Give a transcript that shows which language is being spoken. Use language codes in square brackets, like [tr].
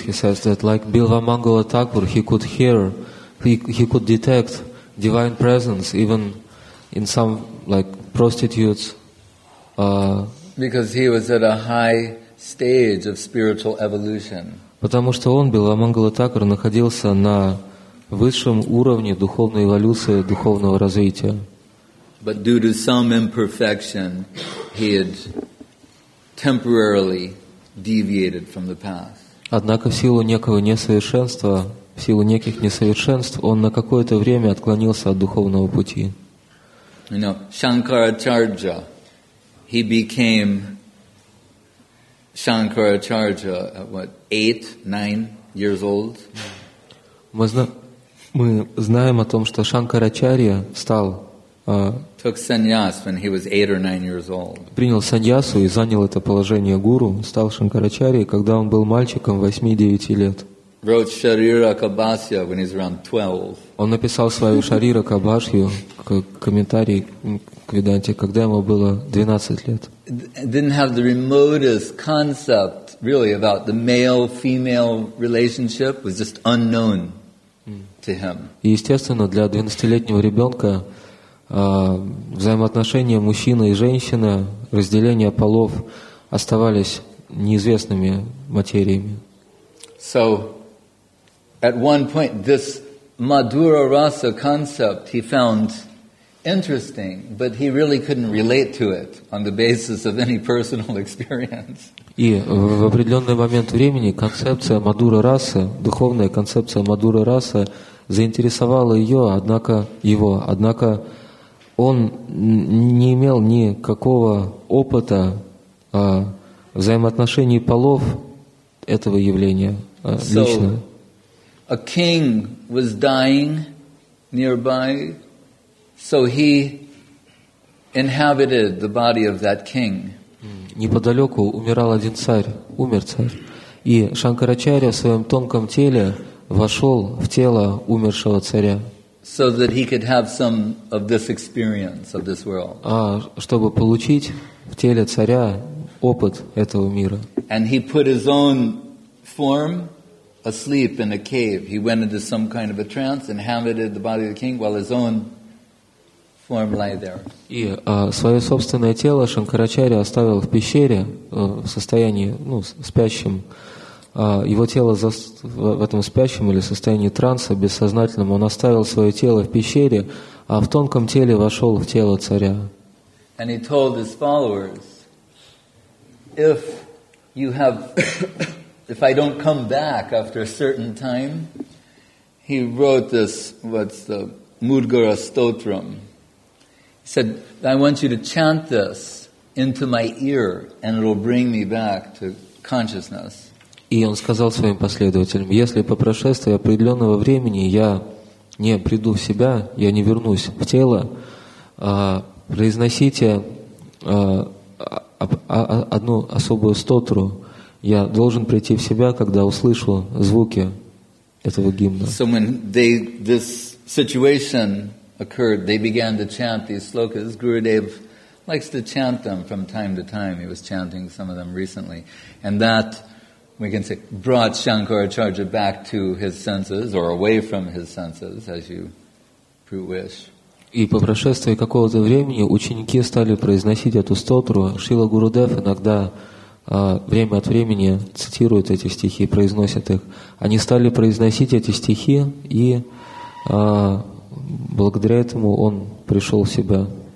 [en] He says that like Bilva Mangala Thakur, he could detect divine presence even in some like prostitutes. Because he was at a high stage of spiritual evolution. [ru] Потому что он, Билла Мангала Такар, находился на высшем уровне духовной эволюции, духовного развития. [en] But due to some imperfection, he had temporarily deviated from the path. [ru] Однако в силу некого несовершенства, в силу неких несовершенств, он на какое-то время отклонился от духовного пути. [en] You know, Shankaracharya. He became Shankaracharya at what, 8-9 years old? [ru] Мы знаем о том, что Шанкарачарья стал [en] took sannyas when he was 8 or 9 years old. [ru] Принял саньясу и занял это положение гуру, стал Шанкарачарьей, когда он был мальчиком 8-9 лет. [en] Wrote Sharira Kabhasya when he was around 12. [ru] Он написал свою Шарира Кабашью, комментарий к Веданте, когда ему было 12 лет. [en] Didn't have the remotest concept really about the male-female relationship. It was just unknown to him. [ru] И естественно, для 12-летнего ребенка взаимоотношения мужчины и женщины, разделение полов оставались неизвестными материями. [en] So, at one point, this Madhura Rasa concept he found interesting, but he really couldn't relate to it on the basis of any personal experience. [ru] И в определенный момент времени концепция Мадура Раса, духовная концепция Мадура Раса, заинтересовала его, однако он не имел никакого опыта взаимоотношений полов этого явления лично. [en] A king was dying nearby. So he inhabited the body of that king. [ru] Неподалеку умирал один царь, умер царь. И Шанкарачарья в своем тонком теле вошел в тело умершего царя. [en] So that he could have some of this experience of this world. [ru] А чтобы получить в теле царя опыт этого мира. [en] And he put his own form asleep in a cave. He went into some kind of a trance and inhabited the body of the king while his own form lay there. [ru] И свое собственное тело Шанкарачарья оставил в пещере в состоянии, ну, спящем. Его тело в этом спящем или состоянии транса, бессознательном, он оставил свое тело в пещере, а в тонком теле вошел в тело царя. [en] And he told his followers, if you have, if I don't come back after a certain time, he wrote this, what's the Mudgara Stotram. He said, I want you to chant this into my ear and it will bring me back to consciousness. [ru] И он сказал своим последователям, если по прошествии определенного времени я не приду в себя, я не вернусь в тело, произносите одну особую стотру. Я должен прийти в себя, когда услышу звуки этого гимна. [en] So when this situation occurred, they began to chant these slokas. Gurudev likes to chant them from time to time. He was chanting some of them recently. And that, we can say, brought Shankaracharya back to his senses, or away from his senses, as you wish. [ru] И по прошествии какого-то времени ученики стали произносить эту стотру. Шрила Гурудев иногда время от времени цитирует эти стихи, произносит их. Они стали произносить эти стихи, и благодаря этому он пришел в себя.